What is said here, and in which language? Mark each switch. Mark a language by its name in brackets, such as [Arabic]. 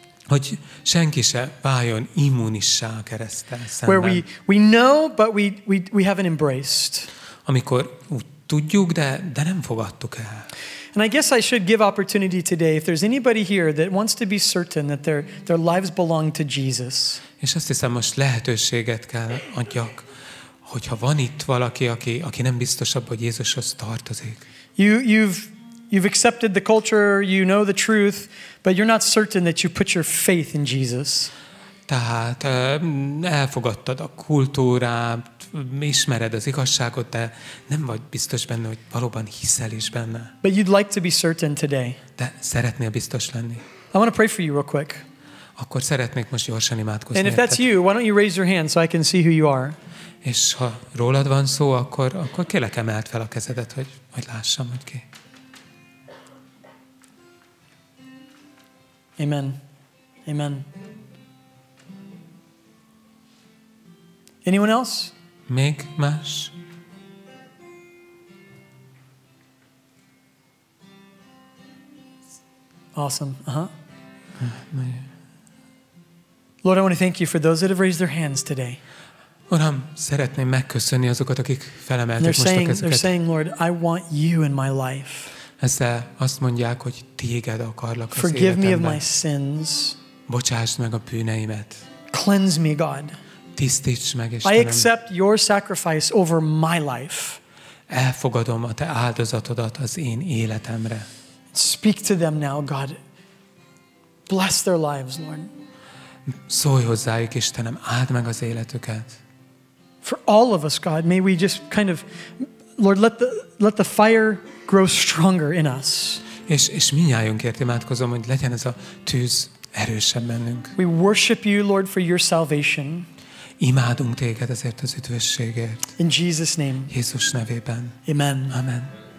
[Hungarian] Hogy senki se váljon immunissá a kereszttel szemben. [English] Where we know but we haven't embraced. [Hungarian] Amikor tudjuk, de nem fogadtuk el. [English] And I guess I should give opportunity today if there's anybody here that wants to be certain that their lives belong to Jesus. [Hungarian] És azt hiszem, most lehetőséget kell adjak, hogyha van itt valaki, aki nem biztosabb, hogy Jézushoz tartozik. [English] You've accepted the culture, you know the truth, but you're not certain that you put your faith in Jesus. [Hungarian] Tehát elfogadtad a kultúrát, ismered az igazságot, de nem vagy biztos benne, hogy valóban hiszel is benne. [English] But you'd like to be certain today. [Hungarian] De szeretnél biztos lenni. [English] I want to pray for you real quick. [Hungarian] Akkor szeretnék most gyorsan imádkozni. [English] And if that's you, why don't you raise your hand so I can see who you are? [Hungarian] És ha rólad van szó, akkor kérlek, emeld fel a kezedet, hogy lássam, hogy ki. [English] Amen. Amen. Anyone else? [Hungarian] Még más? [English] Awesome. Lord, I want to thank you for those that have raised their hands today. [Hungarian] Uram, szeretném megköszönni azokat, akik felemelték most a kezüket. [English] They're saying, Lord, I want you in my life. [Hungarian] Ezzel azt mondják, hogy téged akarlak az [English] Forgive [Hungarian] életemben. [English] Me of my sins. [Hungarian] Bocsásd meg a bűneimet. [English] Cleanse me, God. [Hungarian] Tisztíts meg, Istenem. [English] I accept your sacrifice over my life. [Hungarian] Elfogadom a te áldozatodat az én életemre. [English] Speak to them now, God. Bless their lives, Lord. [Hungarian] Szólj hozzájuk, Istenem, áld meg az életüket. [English] For all of us, God, may we just kind of, Lord, let the fire grow stronger in us. [Hungarian] És mindnyájunkért imádkozom, hogy legyen ez a tűz erősebb bennünk. [English] We worship you, Lord, for your salvation. [Hungarian] Imádunk téged ezért az üdvösségért. [English] In Jesus' name. [Hungarian] Jézus nevében. [English] Amen. Amen.